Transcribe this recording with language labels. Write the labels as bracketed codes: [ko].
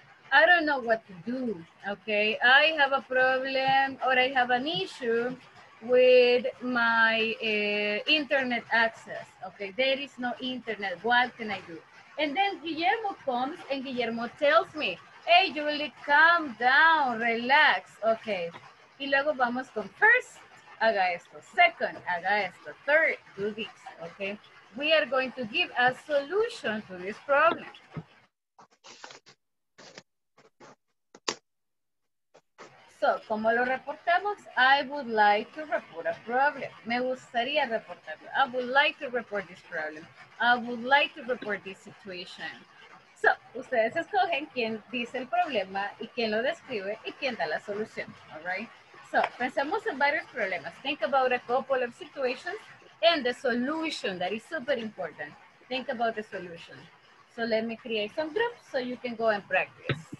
[en] I don't know what to do, okay? I have a problem or I have an issue with my internet access. Okay, there is no internet. What can I do? And then Guillermo comes and Guillermo tells me, hey, Julie, calm down, relax. [es] Okay, y luego vamos con first, haga esto. [en] Second, [es] haga esto. [en] Third, do this. Okay, we are going to give a solution to this problem. So, [es] como lo reportamos, [en] I would like to report a problem. [es] Me gustaría reportarlo. [en] I would like to report this problem. I would like to report this situation. [es] So, ustedes escogen quién dice el problema y quién lo describe y quién da la solución. [en] All right? So, [es] pensemos en varios problemas. [en] Think about a couple of situations and the solution that is super important. Think about the solution. So, let me create some groups so you can go and practice.